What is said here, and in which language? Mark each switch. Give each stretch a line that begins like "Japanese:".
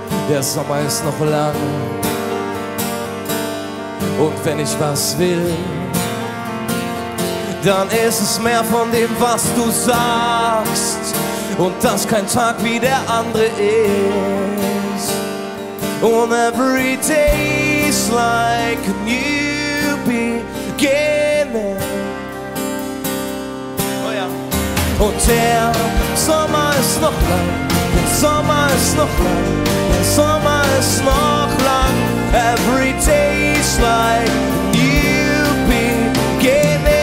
German: Der Sommer ist noch lang, und wenn ich was will, dann ist es mehr von dem, was du sagst. Und dass kein Tag wie der andere ist.
English: And every day is like a new beginning.
German: Oh ja. Und der Sommer ist noch lang. Der Sommer ist noch lang. Der Sommer ist noch lang.
English: Every day is like a new beginning.